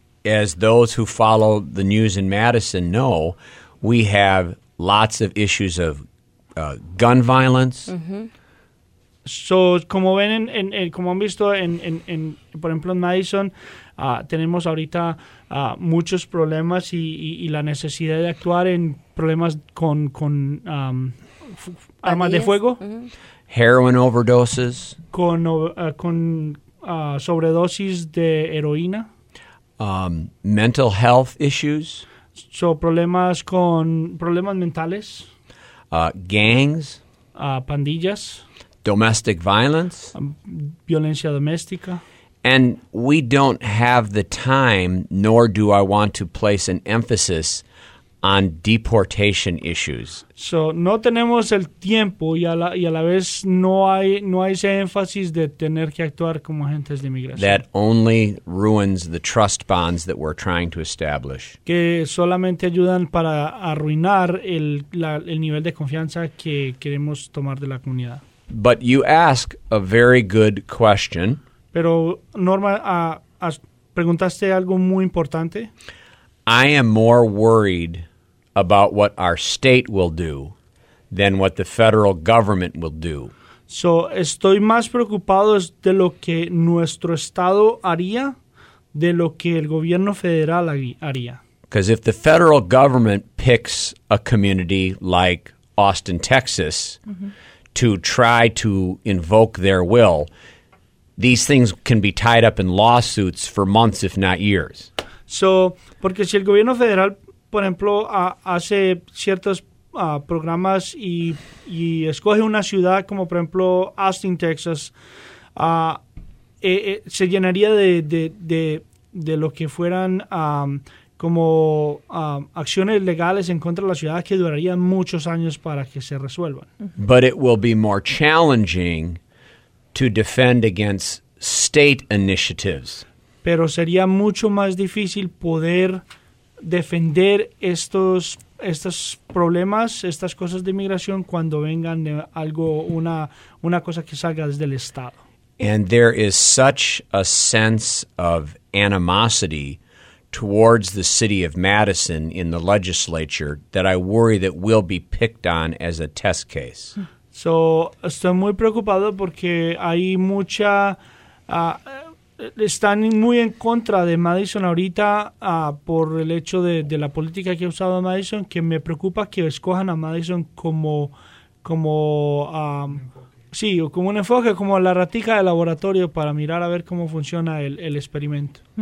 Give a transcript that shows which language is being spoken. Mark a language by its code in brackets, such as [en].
[en] As those who follow the news in Madison know, we have lots of issues of gun violence. Mm-hmm. [es] So, como ven, como han visto, por ejemplo, en Madison, tenemos ahorita muchos problemas y la necesidad de actuar en problemas con armas de fuego. [en] Uh-huh. Heroin overdoses. [es] Con sobredosis de heroína. [en] Mental health issues. [es] So, problemas mentales. [en] Gangs. [es] Pandillas. [en] Domestic violence. [es] Violencia doméstica. [en] And we don't have the time, nor do I want to place an emphasis on deportation issues. [es] So, no tenemos el tiempo y a la vez no hay ese énfasis de tener que actuar como agentes de inmigración. [en] That only ruins the trust bonds that we're trying to establish. [es] Que solamente ayudan para arruinar el nivel de confianza que queremos tomar de la comunidad. [en] But you ask a very good question. [es] Pero Norma, preguntaste algo muy importante. [en] I am more worried about what our state will do than what the federal government will do. [es] So, estoy más preocupado de lo que nuestro estado haría de lo que el gobierno federal haría. [en] Because if the federal government picks a community like Austin, Texas, mm-hmm. to try to invoke their will, these things can be tied up in lawsuits for months, if not years. [es] So, porque si el gobierno federal, por ejemplo, hace ciertos programas y escoge una ciudad como, por ejemplo, Austin, Texas, se llenaría de lo que fueran como acciones legales en contra de la ciudad que durarían muchos años para que se resuelvan. [en] But it will be more challenging to defend against state initiatives. [es] Pero sería mucho más difícil poder defender estos problemas, estas cosas de inmigración cuando vengan de algo, una cosa que salga desde el estado. [en] And there is such a sense of animosity towards the city of Madison in the legislature that I worry that we'll be picked on as a test case. [es] So, estoy muy preocupado porque hay mucha están muy en contra de Madison ahorita por el hecho de la política que ha usado Madison, que me preocupa que escojan a Madison como un enfoque, como la ratica de laboratorio para mirar a ver cómo funciona el experimento.